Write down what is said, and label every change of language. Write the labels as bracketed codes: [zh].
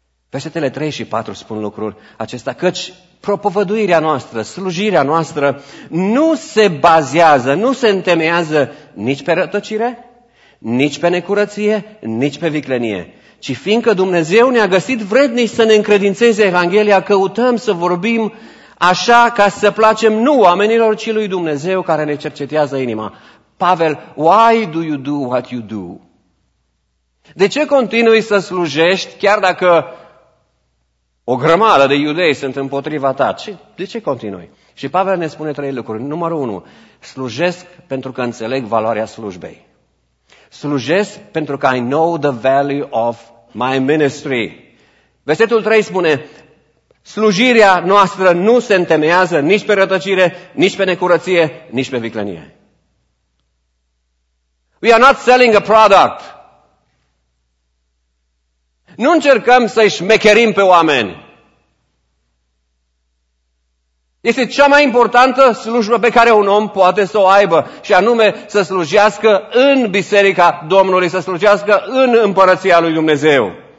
[ro] Versetele 3 și 4 spun lucrul acesta, căci propovăduirea noastră, slujirea noastră nu se bazează, nu se întemeiază nici pe rătăcire, nici pe necurăție, nici pe viclenie, ci fiindcă Dumnezeu ne-a găsit vrednici să ne încredințeze Evanghelia, căutăm să vorbim așa ca să placem nu oamenilor, ci lui Dumnezeu care ne cercetează inima. [en] Pavel, why do you do what you do? [ro] De ce continui să slujești chiar dacă o grămadă de iudei sunt împotriva ta? De ce continui? Și Pavel ne spune trei lucruri. Numărul 1. Slujesc pentru că înțeleg valoarea slujbei. Slujesc pentru că [en] I know the value of my ministry. [ro] Versetul 3 spune, slujirea noastră nu se întemeiază nici pe rătăcire, nici pe necurăție, nici pe viclenie. [en] We are not selling a product. [ro] Nu încercăm să-i șmecherim pe oameni. Este cea mai importantă slujbă pe care un om poate să o aibă, și anume să slujească în biserica Domnului, să slujească în împărăția lui Dumnezeu.